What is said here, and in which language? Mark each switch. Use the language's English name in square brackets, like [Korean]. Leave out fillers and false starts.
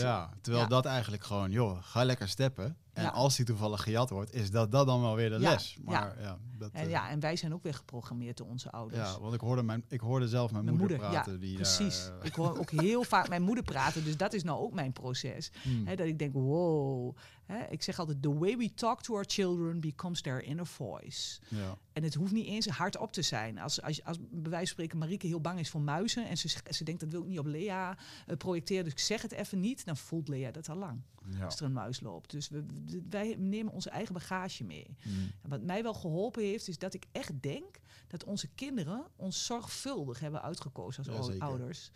[Dutch] ja, terwijl dat eigenlijk gewoon, joh, ga lekker steppen. En als die toevallig gejat wordt, is dat dan wel weer de les. Maar, En wij zijn ook weer geprogrammeerd door onze ouders. Ja, want ik hoorde zelf mijn moeder praten. Ja, die precies. Daar, ik hoor ook heel vaak mijn moeder praten. Dus dat is nou ook mijn proces. Hmm. Hè, dat ik denk, wow. Hè, ik zeg altijd, [English] the way we talk to our children becomes their inner voice. [Dutch] Ja. En het hoeft niet eens hardop te zijn. Als bij wijze van spreken Marieke heel bang is voor muizen. En ze denkt, dat wil ik niet op Lea projecteren. Dus ik zeg het even niet. Dan voelt Lea dat al lang. Ja. Als er een muis loopt. Dus wij nemen onze eigen bagage mee. Mm. Wat mij wel geholpen heeft, is dat ik echt denk dat onze kinderen ons zorgvuldig hebben uitgekozen als ouders.